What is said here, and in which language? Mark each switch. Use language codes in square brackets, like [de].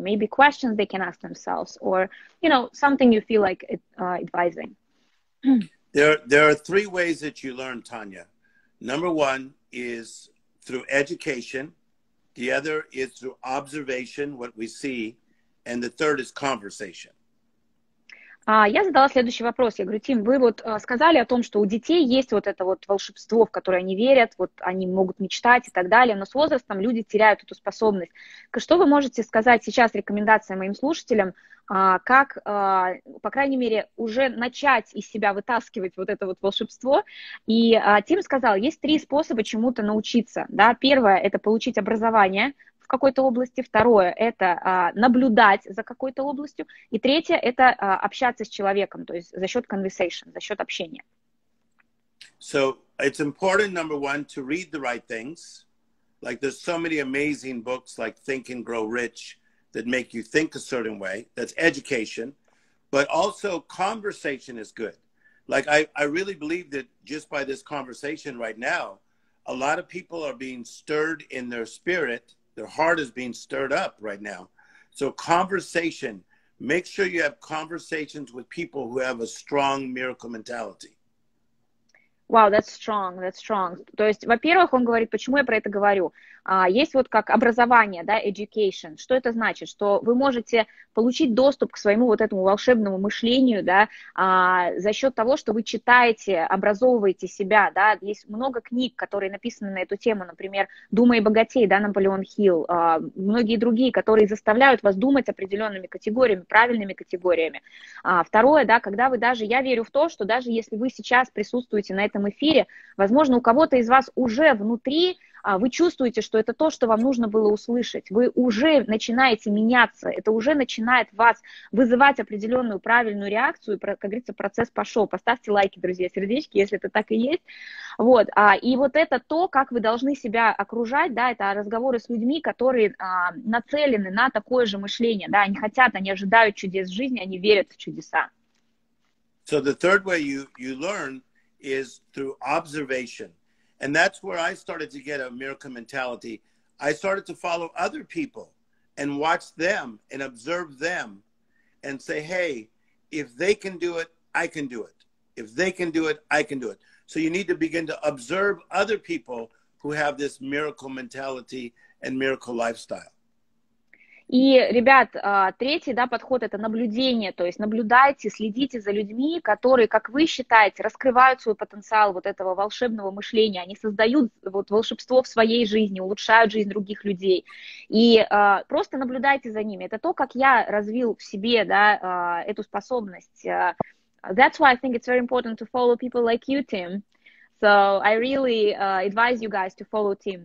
[en] Maybe questions they can ask themselves, or, you know, something you feel like advising. There are three ways that you learn, Tanya. Number one is through education. The other is through observation, what we see. And the third is conversation. [ru] Я задала следующий вопрос. Я говорю, Тим, вы вот сказали о том, что у детей есть вот это вот волшебство, в которое они верят, вот они могут мечтать и так далее, но с возрастом люди теряют эту способность. Что вы можете сказать сейчас рекомендация моим слушателям, как, по крайней мере, уже начать из себя вытаскивать вот это вот волшебство? И Тим сказал, есть три способа чему-то научиться. Да? Первое – это получить образование в какой-то области, второе – это наблюдать за какой-то областью, и третье – это общаться с человеком, то есть за счет conversation, за счет общения. [en] So, it's important, number one, to read the right things. Like, there's so many amazing books, like Think and Grow Rich, that make you think a certain way. That's education. But also, conversation is good. Like, I really believe that just by this conversation right now, a lot of people are being stirred in their spirit. Their heart is being stirred up right now. So conversation, make sure you have conversations with people who have a strong miracle mentality. Wow, that's strong. [ru] То есть, во-первых, он говорит, почему я про это говорю. Есть вот как образование, да, education. Что это значит? Что вы можете получить доступ к своему вот этому волшебному мышлению, да, за счет того, что вы читаете, образовываете себя, да. Есть много книг, которые написаны на эту тему, например, «Думай богатей», да, Наполеон Хилл, многие другие, которые заставляют вас думать определенными категориями, правильными категориями. Второе, да, когда вы даже, я верю в то, что даже если вы сейчас присутствуете на этом эфире, возможно, у кого-то из вас уже внутри вы чувствуете, что это то, что вам нужно было услышать. Вы уже начинаете меняться. Это уже начинает вас вызывать определенную правильную реакцию. И, как говорится, процесс пошел. Поставьте лайки, друзья, сердечки, если это так и есть. Вот. И вот это то, как вы должны себя окружать. Да, это разговоры с людьми, которые нацелены на такое же мышление. Да, они хотят, они ожидают чудес в жизни, они верят в чудеса. [en] So the third way you learn is through observation. And that's where I started to get a miracle mentality. I started to follow other people and watch them and observe them and say, hey, if they can do it, I can do it. If they can do it, I can do it. So you need to begin to observe other people who have this miracle mentality and miracle lifestyle. [ru] И, ребят, третий, да, подход – это наблюдение, то есть наблюдайте, следите за людьми, которые, как вы считаете, раскрывают свой потенциал вот этого волшебного мышления, они создают вот волшебство в своей жизни, улучшают жизнь других людей, и просто наблюдайте за ними. Это то, как я развил в себе, да, эту способность. [en] That's why I think it's very important to follow people like you, Tim. So I really advise you guys to follow Tim.